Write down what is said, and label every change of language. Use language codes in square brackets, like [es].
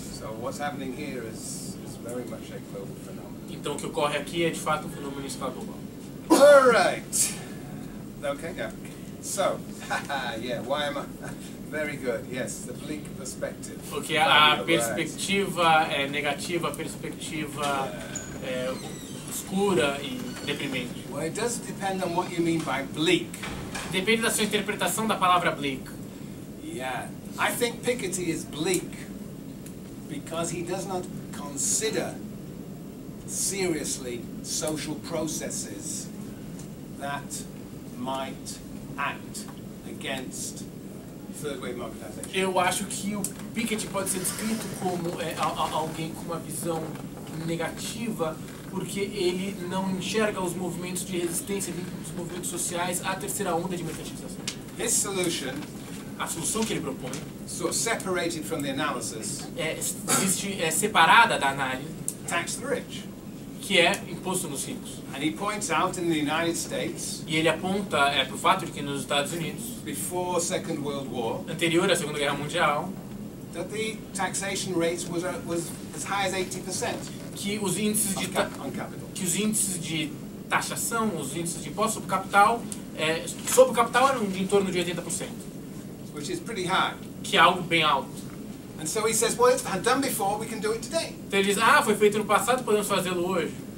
[en] So what's happening here is very much a global phenomenon. [pt] Então o que ocorre aqui é de fato um fenômeno global. [en] All right. Okay, yeah. So, yeah, why am I? Very good. Yes, the bleak perspective. [pt] Porque a perspectiva é negativa, a perspectiva escura e deprimente. [en] Well, it does depend on what you mean by bleak. [pt] Depende da sua interpretação da palavra bleak. [en] Yeah. I think Piketty is bleak because he does not consider seriously social processes that might act against third wave mobilization. [pt] Eu acho que o Piketty pode ser descrito como alguém com uma visão negativa porque ele não enxerga os movimentos de resistência, os movimentos sociais à terceira onda de mercantilização. [en] His solution, [pt] a solução que ele propõe, [en] so separated from the analysis, [pt] é separada da análise, [en] tax the rich, [pt] que é imposto nos ricos. [en] And he points out in the United States, [pt] e ele aponta para o fato de que nos Estados Unidos, [en] before Second World War, [pt] anterior à Segunda Guerra Mundial, [en] that the taxation rates was as high as 80%. [pt] Que os índices de capital. Que os índices de taxação, os índices de imposto sobre capital, sobre o capital eram em torno de 80%. [en] Which is pretty high. [pt] Que é algo bem alto. [en] And so he says, well, it's been done before, we can do it today. [pt] Então ele diz, foi feito no passado, podemos fazê-lo hoje.